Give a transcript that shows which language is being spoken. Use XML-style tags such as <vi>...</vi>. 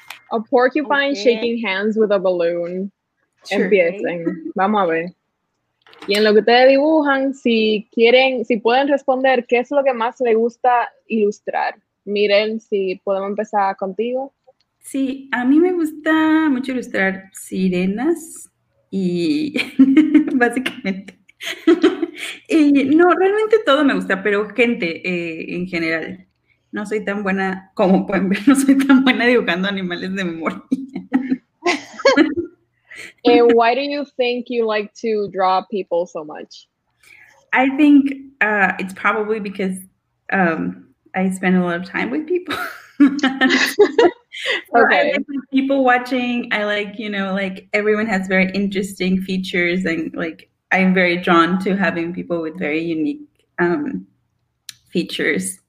<en>A porcupine, okay, shaking hands with a balloon.</en> <es>Sure. Empiecen, vamos a ver. Y en lo que ustedes dibujan, si quieren, si pueden responder, ¿qué es lo que más le gusta ilustrar? Mirel, si podemos empezar contigo. Sí, a mí me gusta mucho ilustrar sirenas y básicamente. Y no, realmente todo me gusta, pero gente en general. No soy tan buena, como pueden ver, no soy tan buena dibujando animales de memoria.</es> <en>Why do you think you like to draw people so much? I think it's probably because I spend a lot of time with people. Okay. I like people watching. I like, you know, like everyone has very interesting features, and like I'm very drawn to having people with very unique features.</en>